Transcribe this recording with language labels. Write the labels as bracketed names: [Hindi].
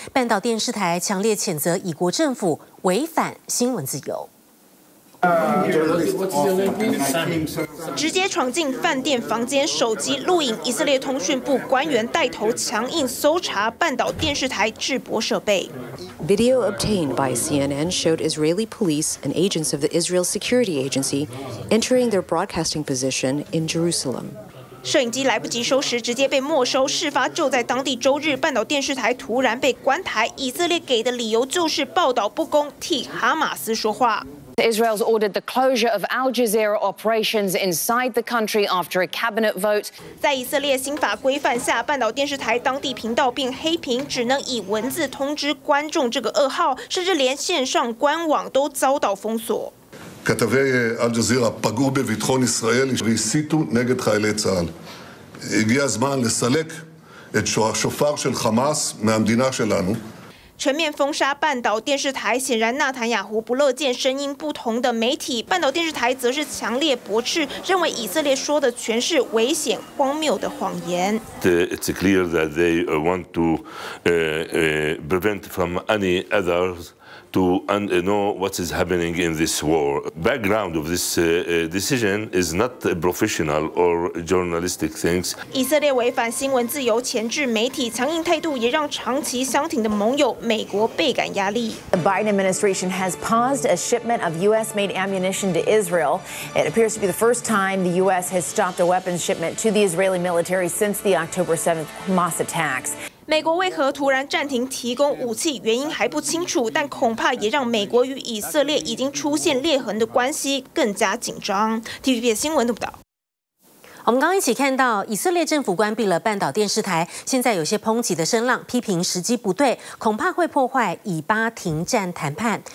[Chinese] 半岛电视台强烈谴责以国政府违反新闻自由。直接闯进饭店房间，手机录影，以色列通讯部官员带头强硬搜查半岛电视台制播设备。 [English] Video obtained by CNN showed Israeli police and agents of the Israel Security Agency entering their broadcasting position in Jerusalem. [Chinese] 摄影机来不及收拾，直接被没收。事发就在当地周日，半岛电视台突然被关台。以色列给的理由就是报道不公，替哈马斯说话。 [English] Israel's ordered the closure of Al Jazeera operations inside the country after a cabinet vote. [Chinese] 在以色列新法规范下，半岛电视台当地频道并黑屏，只能以文字通知观众这个噩耗，甚至连线上官网都遭到封锁。 [Hebrew] כתבי אל ג'זירה פגעו בביטחון ישראל והסיתו נגד חיילי צה"ל. הגיע הזמן לסלק את השופר של חמאס מהמדינה שלנו. [Chinese] 全面封杀半岛电视台，显然纳坦雅胡不乐见声音不同的媒体。半岛电视台则是强烈驳斥，认为以色列说的全是危险、荒谬的谎言。 [English] It's clear that they want to prevent from any others to know what is happening in this war. Background of this decision is not a professional or journalistic things. [Chinese] 以色列违反新闻自由，钳制媒体，强硬态度也让长期相挺的盟友。美国倍感压力。 [English] The Biden administration has paused a shipment of U.S.-made ammunition to Israel. It appears to be the first time the U.S. has stopped a weapons shipment to the Israeli military since the October 7th Hamas attacks. [Chinese] 美国为何突然暂停提供武器？原因还不清楚，但恐怕也让美国与以色列已经出现裂痕的关系更加紧张。 TVP 新闻报道。我们刚刚一起看到，以色列政府关闭了半岛电视台，现在有些抨击的声浪，批评时机不对，恐怕会破坏以巴停战谈判。